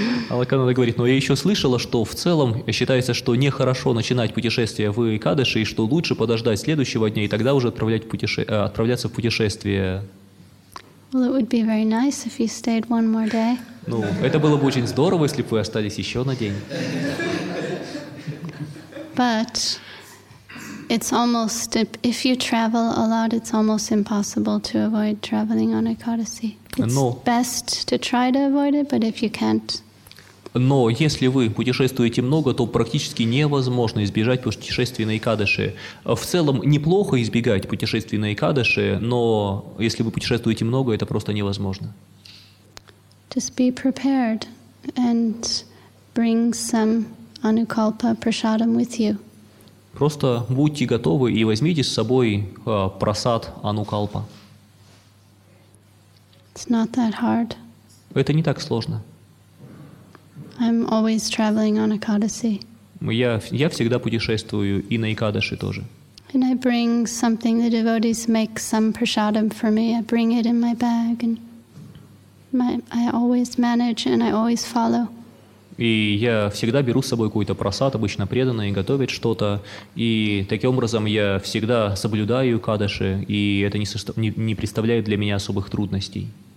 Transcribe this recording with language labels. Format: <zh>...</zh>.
<ru>Алаканада говорит, но я еще слышала, что в целом считается, что нехорошо начинать путешествие в Экадаши, и что лучше подождать следующего дня и тогда уже отправляться в путешествие.</ru> <en>Well, it would be very nice if you stayed one more day.</en> <ru>Ну, это было бы очень здорово, если бы вы остались еще на день.</ru> <en>But it's almost, if you travel a lot, it's almost impossible to avoid traveling on Ekadasi. It's best to try to avoid it, but if you can't.</en> <ru>Но если вы путешествуете много, то практически невозможно избежать путешествий на Экадаши. В целом неплохо избегать путешествий на Экадаши, но если вы путешествуете много, это просто невозможно.</ru> <en>Just be prepared and bring some Anukalpa Prasadam with you.</en> <ru>Просто будьте готовы и возьмите с собой прасад Анукалпа.</ru> <en>It's not that hard.</en> <ru>Это не так сложно.</ru> <en>I'm always traveling on Ekadasi.</en> <ru>Я всегда путешествую и на Экадаши тоже.</ru> <en>And I bring something the devotees make some prasadam for me. I bring it in my bag and I always manage and I always follow.</en> <ru>И я всегда беру с собой какой-то просад, обычно преданный, готовит что-то. И таким образом я всегда соблюдаю кадаши, и это не представляет для меня особых трудностей.</ru>